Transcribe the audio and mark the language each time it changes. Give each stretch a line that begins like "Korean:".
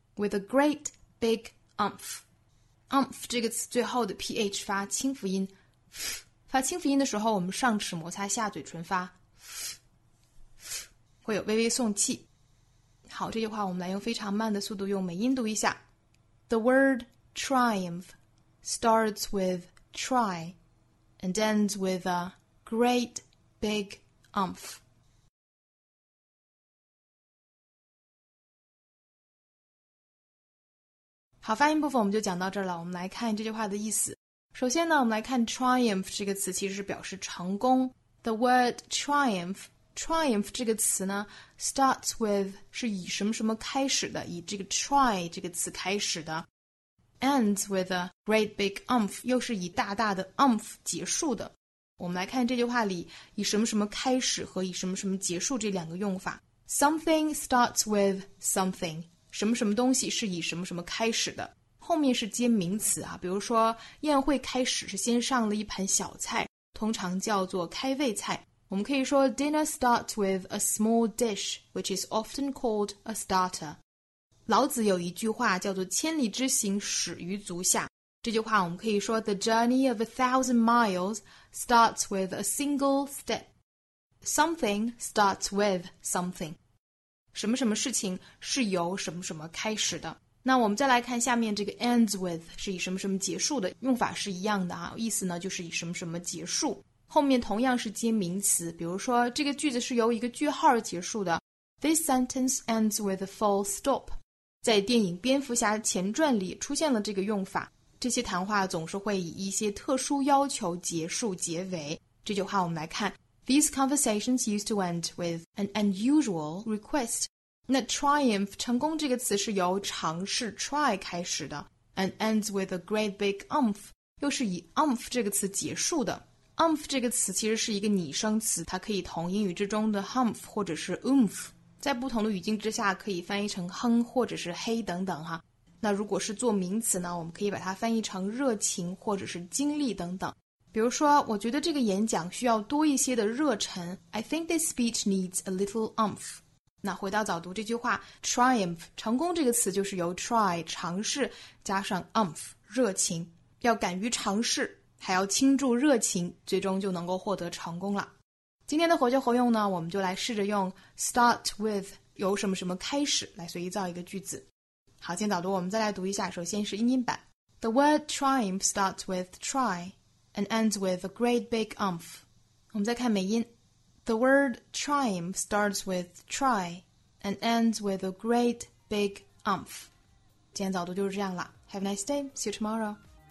English: with a great big umph，
Chinese: umph 这个词最后的 ph 发轻辅音，发轻辅音的时候我们上齿摩擦下嘴唇发会有微微送气。好，这句话我们来用非常慢的速度用美音读一下。
English: The word triumph starts with try and ends with a great big umph.
Chinese: 好，发音部分我们就讲到这儿了，我们来看这句话的意思。首先呢，我们来看 triumph 这个词其实是表示成功。
English: The word triumphTriumph
Chinese: 这个词呢 starts with 是以什么什么开始的，以这个 try 这个词开始的，
English: ends with a great big umph
Chinese: 又是以大大的 umph 结束的。我们来看这句话里以什么什么开始和以什么什么结束这两个用法。
English: Something starts with something，
Chinese: 什么什么东西是以什么什么开始的，后面是接名词啊。比如说宴会开始是先上了一盘小菜，通常叫做开胃菜。我们可以说
English: Dinner starts with a small dish, which is often called a starter.
Chinese: 老子有一句话叫做千里之行始于足下。这句话我们可以说
English: The journey of 1,000 miles starts with a single step. Something starts with something.
Chinese: 什么什么事情是由什么什么开始的。那我们再来看下面这个 ends with 是以什么什么结束的，用法是一样的啊，意思呢就是以什么什么结束。后面同样是接名词，比如说这个句子是由一个句号结束的。
English: This sentence ends with a full stop.
Chinese: 在电影《蝙蝠侠前传》里出现了这个用法。这些谈话总是会以一些特殊要求结束结尾。这句话我们来看。
English: These conversations used to end with an unusual request.
Chinese: 那 triumph, 成功这个词是由尝试 try 开始的。
English: And ends with a great big umph,
Chinese: 又是以 umph 这个词结束的。 Umph 这个词其实是一个拟声词，它可以同英语之中的 humph 或者是 oomph， 在不同的语境之下可以翻译成哼或者是嘿等等哈。那如果是做名词呢，我们可以把它翻译成热情或者是精力等等。比如说我觉得这个演讲需要多一些的热忱，
English: I think this speech needs a little umph。
Chinese: 那回到早读这句话， triumph 成功这个词就是由 try 尝试加上 umph 热情，要敢于尝试还要倾注热情，最终就能够获得成功了。今天的活学活用呢，我们就来试着用 start with 由什么什么开始来随意造一个句子。好，先导读，我们再来读一下，首先是英音版。
English: The word triumph starts with try and ends with a great big umph.
Chinese: 我们再看美音。
English: The word triumph starts with try and ends with a great big umph.
Chinese: 今天导读就是这样了。
English: Have a nice day, see you tomorrow.